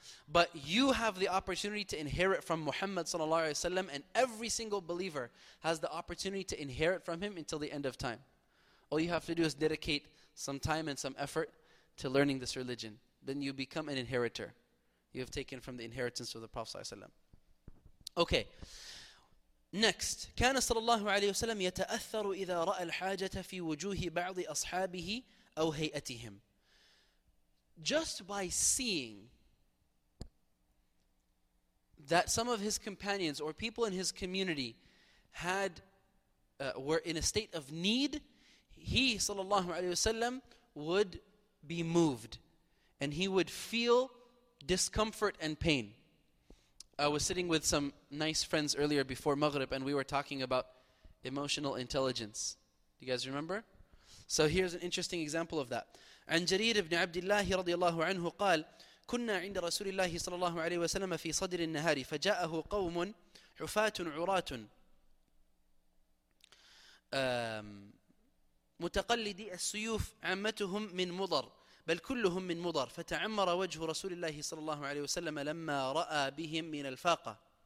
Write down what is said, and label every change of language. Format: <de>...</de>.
<en>But you have the opportunity to inherit from Muhammad sallallahu alaihi wasallam, and every single believer has the opportunity to inherit from him until the end of time. All you have to do is dedicate some time and some effort to learning this religion. Then you become an inheritor. You have taken from the inheritance of the Prophet sallallahu alaihi wasallam. Okay.</en> <ar>Next, كان صلى الله عليه وسلم يتأثر إذا رأى الحاجة في وجوه بعض أصحابه أو هيئتهم.</ar> <en>Just by seeing that some of his companions or people in his community had were in a state of need, he صلى الله عليه وسلم would be moved and he would feel discomfort and pain. I was sitting with some nice friends earlier before Maghrib and we were talking about emotional intelligence. You guys remember? So here's an interesting example of that.</en> <ar>عن جرير بن عبد الله رضي الله عنه قال كنا عند رسول الله صلى الله عليه وسلم في صدر النهار فجاءه قوم حفاة عراة متقلدي السيوف عمتهم من مضر بل كلهم من مضر فتعمر وجه رسول الله صلى الله عليه وسلم لما رأى بهم من الفاقة</ar>